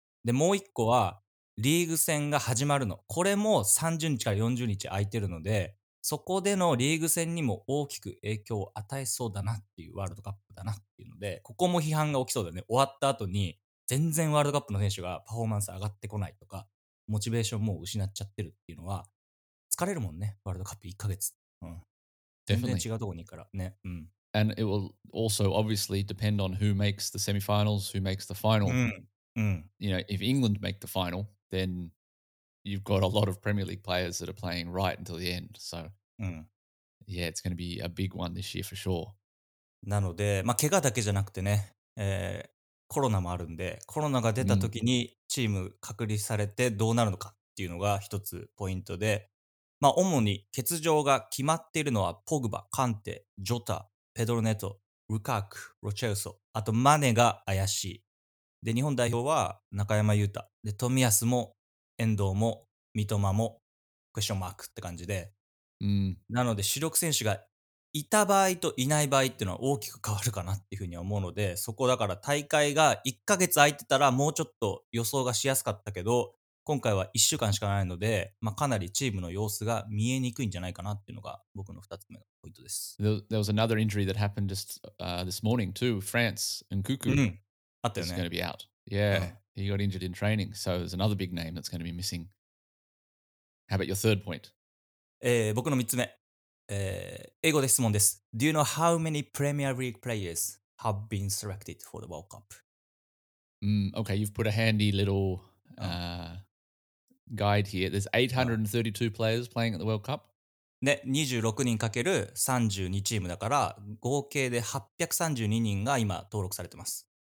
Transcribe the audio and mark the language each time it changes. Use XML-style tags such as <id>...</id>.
<ja>で、もう一個はリーグ戦が始まるの。これも30日から40日空いてるので、そこでのリーグ戦にも大きく影響を与えそうだなっていうワールドカップだなっていうので、ここも批判が起きそうだよね。終わった後に全然ワールドカップの選手がパフォーマンス上がってこないとか、モチベーションも失っちゃってるっていうのは、疲れるもんね。ワールドカップ1ヶ月。</ja> <en>Definitely.</en> <ja>全然違うところにからね。</ja> <en>And it will also obviously depend on who makes the semifinals, who makes the final. You know, if England make the final, then you've got a lot of Premier League players that are playing right until the end. So, yeah, it's going to be a big one this year for sure.</en> <ja>なので、まあ怪我だけじゃなくてね、コロナもあるんで、コロナが出た時にチーム隔離されてどうなるのかっていうのが一つポイントで。まあ、主に欠場が決まっているのはポグバ、カンテ、ジョタ、ペドロネト、ルカーク、ロチェウソ、あとマネが怪しい。で、日本代表は中山雄太、で、冨安も、遠藤も、三笘も、クエスチョンマークって感じで。なので、主力選手がいた場合といない場合っていうのは大きく変わるかなっていうふうに思うので、そこだから大会が1ヶ月空いてたらもうちょっと予想がしやすかったけど、今回は1週間しかないので、まあ、かなりチームの様子が見えにくいんじゃないかなっていうのが僕の2つ目のポイントです。</ja> <en>There was another injury that happened just this morning too. France and Cuckoo.</en> <ja>あったよね。</ja> <en>He's going to be out. Yeah, he got injured in training. So there's another big name that's going to be missing. How about your third point?</en> <ja>僕の3つ目。英語で質問です。</ja> <en>Do you know how many Premier League players have been selected for the World Cup?、 Okay, you've put a handy little... guide here. There's 832 players playing at the World Cup.</en> <ja>ね、26人かける32チームだから合計で832人が今登録されてます。</ja>